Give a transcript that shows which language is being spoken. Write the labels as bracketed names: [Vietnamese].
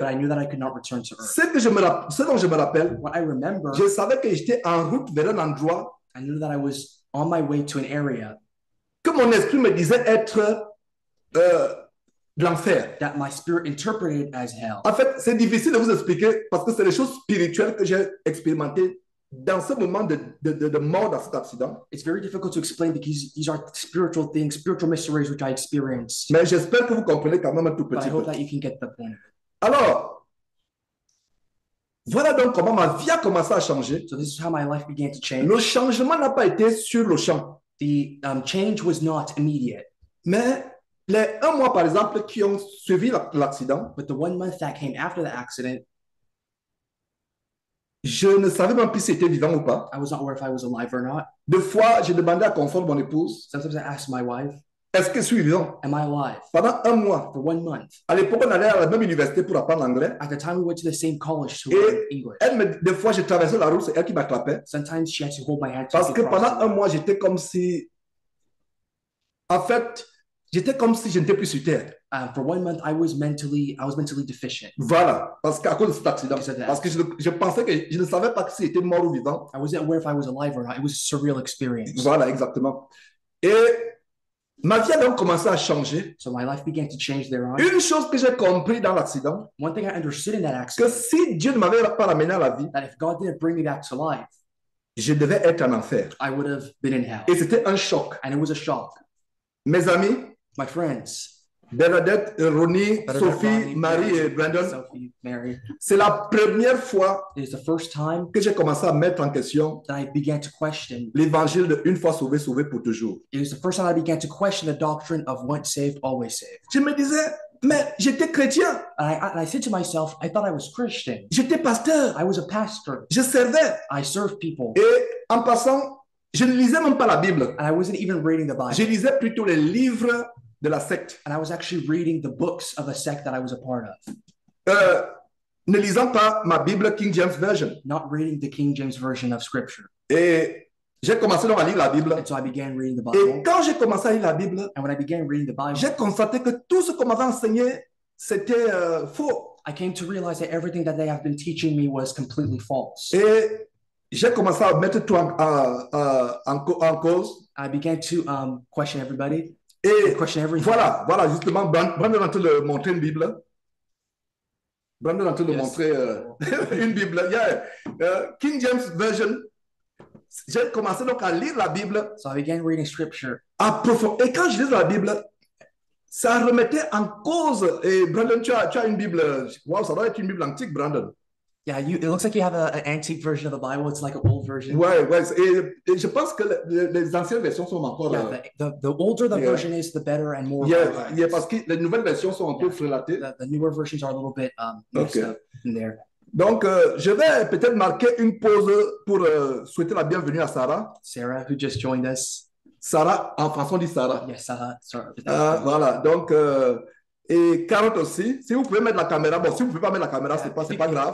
[English] But I knew that I could not return to earth. [French] Ce dont je me rappelle. [English] What I remember. [French] Je savais que j'étais en route vers un endroit. [English] I knew that I was on my way to an area. [French] Que mon esprit me disait être l'enfer. [English] That my spirit interpreted as hell. [French] En fait, c'est difficile de vous expliquer parce que c'est des choses spirituelles que j'ai expérimentées dans ce moment de mort dans cet accident. [English] It's very difficult to explain because these are spiritual things, spiritual mysteries which I experienced. [French] Mais j'espère que vous comprenez quand même un tout petit peu. [English] But I hope that you can get the point. [French] Alors, voilà donc comment ma vie a commencé à changer. [English] So this is how my life began to change. [French] Le changement n'a pas été sur le champ. [English] The change was not immediate. [French] Mais les un mois, par exemple, qui ont suivi l'accident, [English] but the 1 month that came after the accident, [French] je ne savais même plus si j'étais vivant ou pas. [English] I was not aware if I was alive or not. [French] Deux fois, j'ai demandé à confondre mon épouse. [English] Sometimes I asked my wife, [French] est-ce que je suis vivant? [English] Am I alive? [French] Pendant un mois. [English] For 1 month. [French] À l'époque, on allait à la même université pour apprendre l'anglais. [English] At the time, we went to the same college to learn English. [French] Elle, deux fois, j'ai traversé la route, c'est elle qui m'attrapait. [English] Sometimes she had to hold my hand. [French] Parce que pendant un mois, j'étais comme si... En fait, j'étais comme si je n'étais plus sur terre. [English] For 1 month, I was mentally deficient. [French] Voilà, parce qu'à cause de cet accident. Parce que je pensais que je ne savais pas si j'étais mort ou vivant. [English] I wasn't aware if I was alive or not. It was a surreal experience. [French] Voilà, exactement. Et ma vie a donc commencé à changer. [English] So my life began to change thereon. [French] Une chose que j'ai compris dans l'accident. [English] One thing I understood in that accident. [French] Que si Dieu ne m'avait pas ramené à la vie. [English] That if God didn't bring me back to life. [French] Je devais être en enfer. [English] I would have been in hell. [French] Et c'était un choc. [English] And it was a shock. [French] Mes amis. [English] My friends. [French] Bernadette, Ronnie, Sophie, Marie et Brandon. [English] Sophie, Mary. [French] C'est la première fois. [English] It is the first time. [French] Que j'ai commencé à mettre en question. [English] That I began to question. [French] L'évangile de une fois sauvé, sauvé pour toujours. [English] It is the first time I began to question the doctrine of once saved, always saved. [French] Je me disais, mais j'étais chrétien. [English] And I said to myself, I thought I was Christian. [French] J'étais pasteur. [English] I was a pastor. [French] Je servais. [English] I served people. [French] Et en passant, je ne lisais même pas la Bible. [English] And I wasn't even reading the Bible. [French] Je lisais plutôt les livres de la secte. [English] And I was actually reading the books of a sect that I was a part of. [French] Ne lisant pas ma Bible King James Version. [English] Not reading the King James Version of Scripture. [French] Et j'ai commencé donc à lire la Bible. [English] And so I began reading the Bible. [French] Et quand j'ai commencé à lire la Bible, [English] and when I began reading the Bible, [French] j'ai constaté que tout ce qu'on m'avait enseigné, c'était faux. [English] I came to realize that everything that they have been teaching me was completely false. [French] Et j'ai commencé à mettre tout en cause. [English] I began to question everybody. [French] Et [English] question everything. [French] Voilà, justement, Brandon a tenté de montrer une Bible. Brandon a tenté de montrer une Bible. Yeah. King James Version. J'ai commencé donc à lire la Bible. [English] So I began reading scripture. [French] À profond. Et quand je lis la Bible, ça remettait en cause. Et Brandon, tu as une Bible. Wow, ça doit être une Bible antique, Brandon. [English] Yeah, it looks like you have an antique version of the Bible. It's like an old version. [French] Ouais, ouais. Et je pense que les anciennes versions sont encore... [English] Yeah, the older the version is, the better and more... [French] Yeah, yeah, parce que les nouvelles versions sont un peu frelatées. [English] The newer versions are a little bit messed up in there. [French] Donc, je vais peut-être marquer une pause pour souhaiter la bienvenue à Sarah. [English] Sarah, who just joined us. [French] Sarah, en français, on dit Sarah. [English] Yes, Sarah. [French] Voilà, donc... Et Carotte aussi, si vous pouvez mettre la caméra, bon, si vous pouvez pas mettre la caméra, c'est pas grave.